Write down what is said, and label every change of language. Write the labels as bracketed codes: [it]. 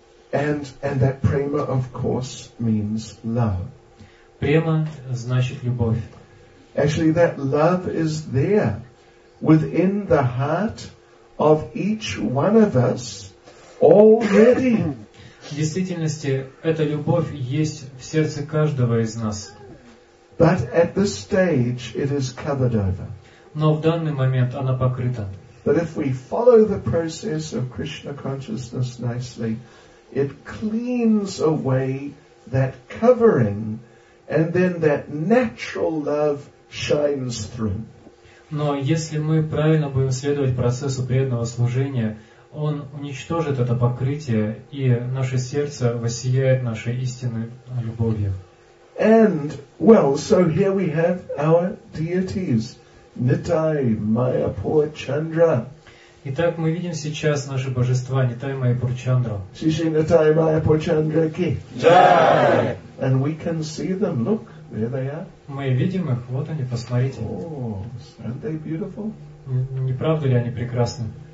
[en] And that prema, of course, means love. [ru] Према значит любовь. [en] Actually, that love is there within the heart of each one of us already. [ru] В действительности, эта любовь есть в сердце каждого из нас. [en] But at this stage it is covered over. [ru] Но в данный момент она покрыта. [en] But if we follow the process of Krishna consciousness nicely, it cleans away that covering, and then that natural love shines through. [ru] Но если мы правильно будем следовать процессу преданного служения, он уничтожит это покрытие, и наше сердце воссияет нашей истинной любовью. [en] And, well, so here we have our deities, Nitai, Mayapur, Chandra. [ru] Итак, мы видим сейчас наши божества, Nitai, Mayapur, Chandra. [hi] Shishi, Nitai, Mayapur, Chandra, ki. Jai! [en] And we can see them, look, there they are. [ru] Мы видим их, вот они, посмотрите. [en] Oh, aren't they beautiful? [ru] Не правда ли они прекрасны?